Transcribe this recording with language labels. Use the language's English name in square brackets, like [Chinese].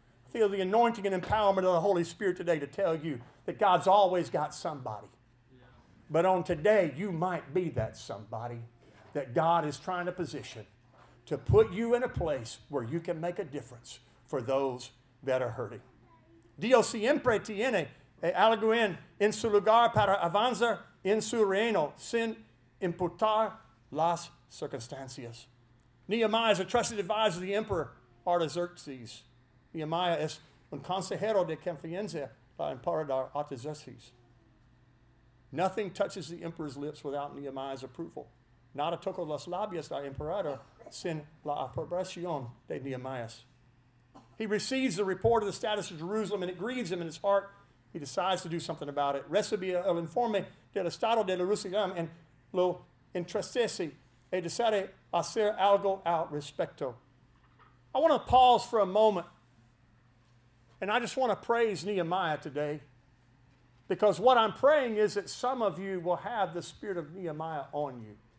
[English] Feel the anointing and empowerment of the Holy Spirit today to tell you that God's always got somebody. But on today, you might be that somebody that God is trying to position to put you in a place where you can make a difference for those that are hurting. [Spanish] Dios siempre tiene algo en su lugar para avanzar en su reino sin importar las circunstancias. [English] Nehemiah is a trusted advisor of the emperor Artaxerxes. [Spanish] Nehemiah [English] is [Spanish] un consejero de confianza para emperador Artaxerxes. [English] Nothing touches the emperor's lips without Nehemiah's approval. [Spanish] Nada toca los labios del emperador sin la aprobación de Nehemiah. [English] He receives the report of the status of Jerusalem and it grieves him in his heart. He decides to do something about it. [Spanish] Recibe el informe del estado de Jerusalem [English] and [Spanish] lo entristece e desire hacer algo al respecto. [English] I want to pause for a moment, and I just want to praise Nehemiah today, because what I'm praying is that some of you will have the spirit of Nehemiah on you.